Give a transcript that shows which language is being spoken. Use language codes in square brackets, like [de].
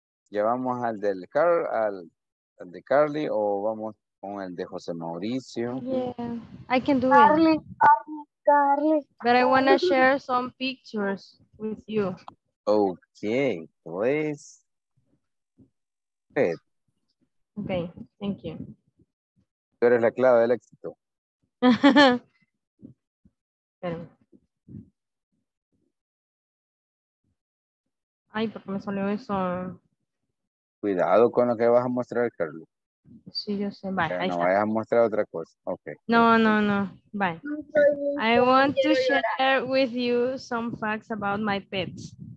[es] ¿Llevamos al del Carl, al de Carly, o vamos con el de José Mauricio? [en] Yeah, I can do Carly, it. Carly. But I want to share some pictures with you. Okay, please. Good. Okay, thank you. [es] Tú eres la clave del éxito. Ay, porque me salió eso... Cuidado con lo que vas a mostrar, Carlos. Sí, yo sé. Bye. Okay, no vayas a mostrar otra cosa. Okay. No. Bye. [en] I want to share with you some facts about my pets.